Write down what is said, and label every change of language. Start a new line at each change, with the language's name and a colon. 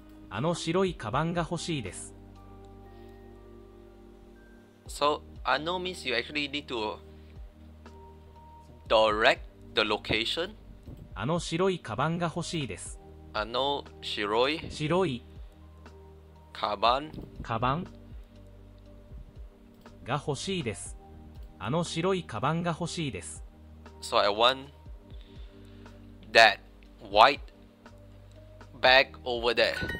Japanese: あの白いカバンが欲しいです。
English: So, あの means you actually need to direct the location.
Japanese: あの白いカバンが欲しいです。あの白いカバンが欲しいです。あの白いカバンが欲しいです。
English: So I want that white bag over there.